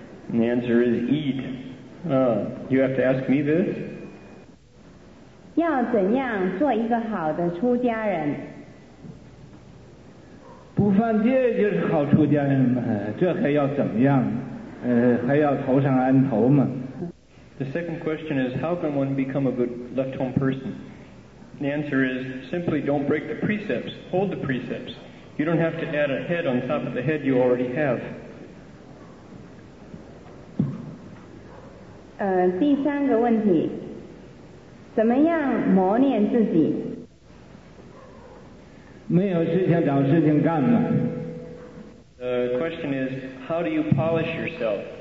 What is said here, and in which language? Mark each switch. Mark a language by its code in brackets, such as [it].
[en] And the answer is eat. You have to ask me this? [zh] 要怎样做一个好的出家人? 不犯戒就是好出家人嘛,这还要怎么样? 还要头上安头嘛? [en] The second question is, how can one become a good left-home person? And the answer is, simply don't break the precepts, hold the precepts. You don't have to add a head on top of the head you already have. [zh] 第三个问题，怎么样磨练自己？没有事情找事情干嘛？ [en] The question is, how do you polish yourself?